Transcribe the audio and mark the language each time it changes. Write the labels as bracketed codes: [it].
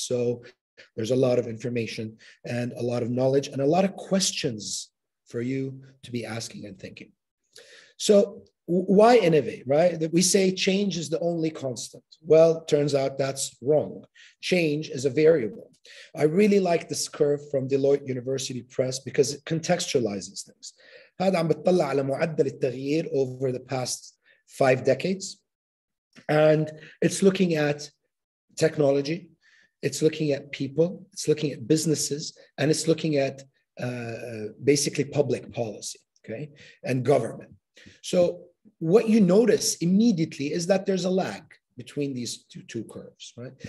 [en] So there's a lot of information and a lot of knowledge and a lot of questions for you to be asking and thinking. So why innovate, right? That we say change is the only constant. Well, turns out that's wrong. Change is a variable. I really like this curve from Deloitte University Press because it contextualizes things. [ar] هذا عم بتطلع على معدل التغيير [en] over the past 5 decades. And it's looking at technology, it's looking at people, it's looking at businesses, and it's looking at basically public policy, okay, and government. So what you notice immediately is that there's a lag between these two curves, right?